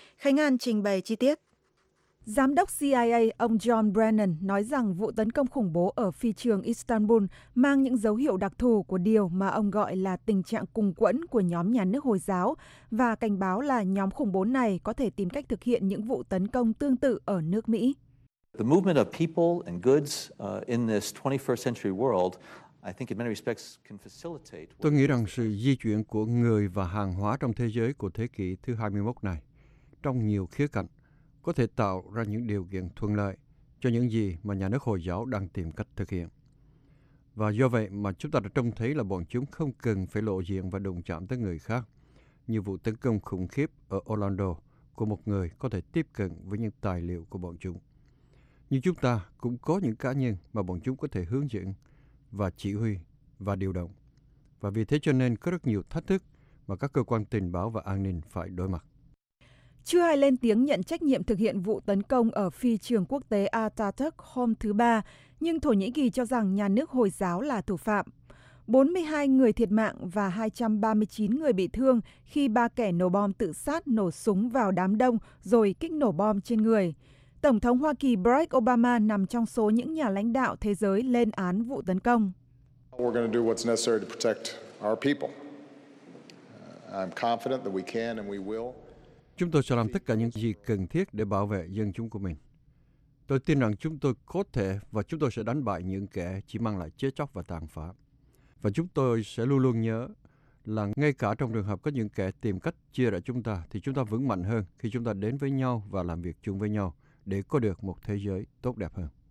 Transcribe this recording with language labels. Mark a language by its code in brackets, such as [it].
[vi] Khánh An trình bày chi tiết. Giám đốc CIA ông John Brennan nói rằng vụ tấn công khủng bố ở phi trường Istanbul mang những dấu hiệu đặc thù của điều mà ông gọi là tình trạng cùng quẫn của nhóm nhà nước Hồi giáo và cảnh báo là nhóm khủng bố này có thể tìm cách thực hiện những vụ tấn công tương tự ở nước Mỹ. [en] The movement of people and goods in this 21st century world, I think in many respects can facilitate. [vi] Tôi nghĩ rằng sự di chuyển của người và hàng hóa trong thế giới của thế kỷ thứ 21 này trong nhiều khía cạnh có thể tạo ra những điều kiện thuận lợi cho những gì mà nhà nước Hồi giáo đang tìm cách thực hiện. Và do vậy mà chúng ta đã trông thấy là bọn chúng không cần phải lộ diện và đụng chạm tới người khác, như vụ tấn công khủng khiếp ở Orlando của một người có thể tiếp cận với những tài liệu của bọn chúng. Nhưng chúng ta cũng có những cá nhân mà bọn chúng có thể hướng dẫn và chỉ huy và điều động. Và vì thế cho nên có rất nhiều thách thức mà các cơ quan tình báo và an ninh phải đối mặt. Chưa ai lên tiếng nhận trách nhiệm thực hiện vụ tấn công ở phi trường quốc tế Atatürk hôm thứ Ba, nhưng Thổ Nhĩ Kỳ cho rằng nhà nước Hồi giáo là thủ phạm. 42 người thiệt mạng và 239 người bị thương khi ba kẻ nổ bom tự sát nổ súng vào đám đông rồi kích nổ bom trên người. Tổng thống Hoa Kỳ Barack Obama nằm trong số những nhà lãnh đạo thế giới lên án vụ tấn công. [en] We're going to do what's necessary to protect our people. I'm confident that we can and we will. [vi] Chúng tôi sẽ làm tất cả những gì cần thiết để bảo vệ dân chúng của mình. Tôi tin rằng chúng tôi có thể và chúng tôi sẽ đánh bại những kẻ chỉ mang lại chết chóc và tàn phá. Và chúng tôi sẽ luôn luôn nhớ là ngay cả trong trường hợp có những kẻ tìm cách chia rẽ chúng ta, thì chúng ta vững mạnh hơn khi chúng ta đến với nhau và làm việc chung với nhau để có được một thế giới tốt đẹp hơn.